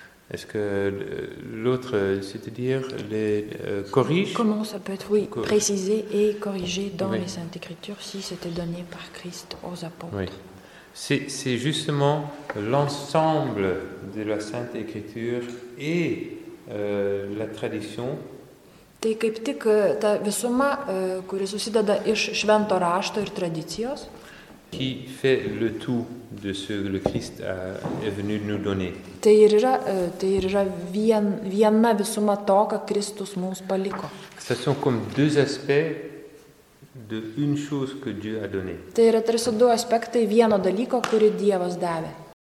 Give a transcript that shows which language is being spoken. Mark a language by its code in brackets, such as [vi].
[fr] Est-ce que l'autre, c'est-à-dire corrige? Comment ça peut être, oui, précisé et corrigé dans, oui, les Saintes Écritures si c'était donné par Christ aux apôtres? Oui. C'est justement l'ensemble de la Sainte Écriture et la tradition. [lt] Tai kaip tik ta visuma, kuri susideda iš švento rašto ir tradicijos. [fr] Qui fait le tout de ce que le Christ est venu nous donner. [lt] Tai yra viena visuma to, ką Kristus mums paliko. [fr] Ce sont comme deux aspects de une chose que Dieu a donné. [lt] Tai yra tarsi du aspektai vieno dalyko, kurį Dievas davė.